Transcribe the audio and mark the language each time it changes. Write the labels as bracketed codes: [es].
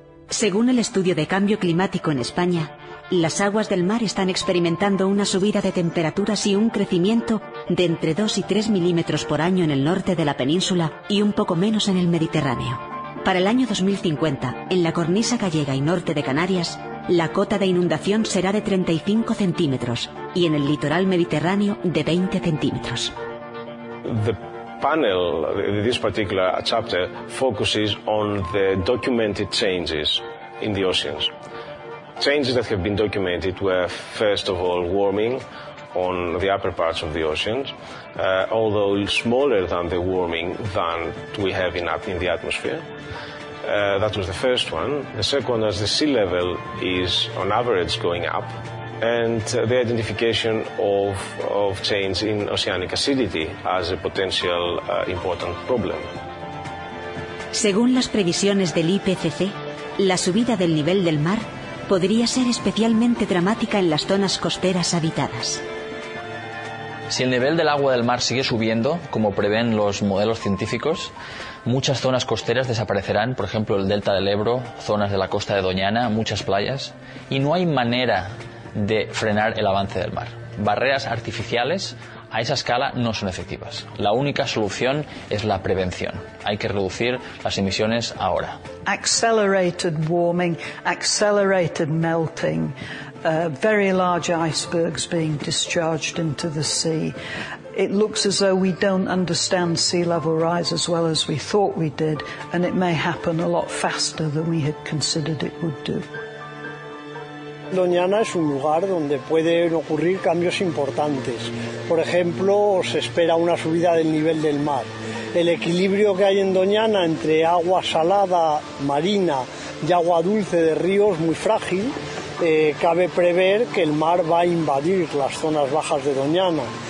[es] Según el estudio de cambio climático en España, las aguas del mar están experimentando una subida de temperaturas y un crecimiento de entre 2 y 3 milímetros por año en el norte de la península y un poco menos en el Mediterráneo. Para el año 2050, en la cornisa gallega y norte de Canarias, la cota de inundación será de 35 centímetros y en el litoral mediterráneo de 20 centímetros. [en] Panel, this particular chapter focuses on the documented changes in the oceans. Changes that have been documented were first of all warming on the upper parts of the oceans, although smaller than the warming than we have in the atmosphere. That was the first one. The second one is the sea level is on average going up, and the identification of change in oceanic acidity as a potential important problem. [es] Según las previsiones del IPCC, la subida del nivel del mar podría ser especialmente dramática en las zonas costeras habitadas. Si el nivel del agua del mar sigue subiendo, como prevén los modelos científicos, muchas zonas costeras desaparecerán, por ejemplo el delta del Ebro, zonas de la costa de Doñana, muchas playas, y no hay manera de frenar el avance del mar. Barreras artificiales a esa escala no son efectivas. La única solución es la prevención. Hay que reducir las emisiones ahora. [en] Accelerated warming, accelerated melting, very large icebergs being discharged into the sea. It looks as though we don't understand sea level rise as well as we thought we did, and it may happen a lot faster than we had considered it would do. [es] Doñana es un lugar donde pueden ocurrir cambios importantes. Por ejemplo, se espera una subida del nivel del mar. El equilibrio que hay en Doñana entre agua salada marina y agua dulce de ríos muy frágil, cabe prever que el mar va a invadir las zonas bajas de Doñana.